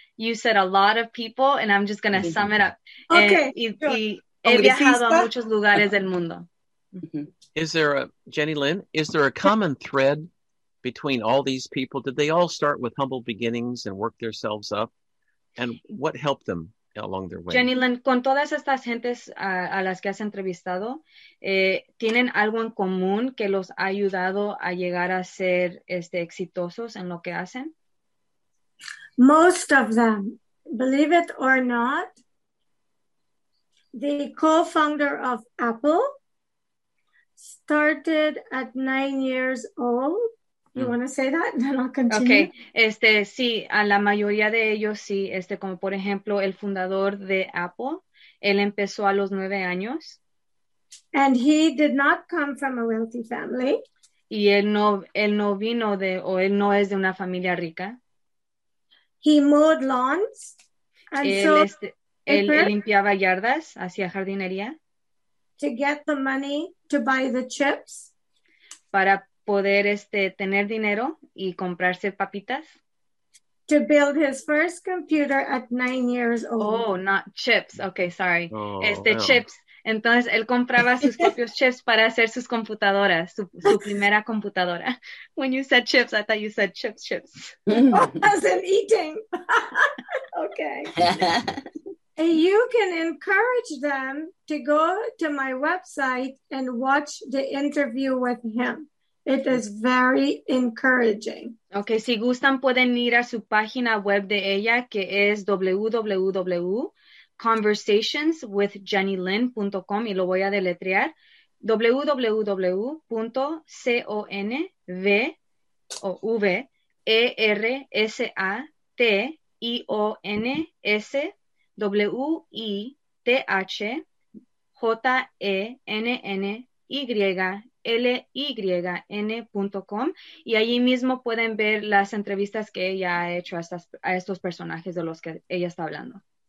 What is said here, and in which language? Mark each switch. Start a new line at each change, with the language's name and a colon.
English: You said a lot of people and I'm just going to sum it up. Okay.
Spanish: He viajado a muchos lugares del mundo.
English: Is there Jenny Lynn, is there a common thread between all these people? Did they all start with humble beginnings and work themselves up? And what helped them along their way?
Spanish: Jenny Lynn, con todas estas gentes a las que has entrevistado, ¿tienen algo en común que los ha ayudado a llegar a ser exitosos en lo que hacen?
English: Most of them, believe it or not, the co-founder of Apple, started at 9 years old. You want to say that? Then I'll continue. Okay.
Spanish: Sí, a la mayoría de ellos sí. Como por ejemplo, el fundador de Apple, él empezó a los 9 años.
English: And he did not come from a wealthy family.
Spanish: Y él no vino de, o él no es de una familia rica.
English: He mowed lawns.
Spanish: And él, so, él limpiaba yardas, hacía jardinería.
English: To get the money to buy the chips.
Spanish: Para poder tener dinero y comprarse papitas.
English: To build his first computer at 9 years old. Oh, not chips. Okay, sorry. Oh, yeah. Chips.
Spanish: Entonces, él compraba sus propios chips para hacer sus computadoras, su primera computadora.
English: When you said chips, I thought you said chips. Oh, as in eating. Okay. And you can encourage them to go to my website and watch the interview with him. It is very encouraging.
Spanish: Okay, si gustan, pueden ir a su página web de ella, que es www.conversationswithjennylin.com, y lo voy a deletrear, www.conversationswithjennylin.com, y allí mismo pueden ver las entrevistas que ella ha hecho a estos personajes de los que ella está hablando.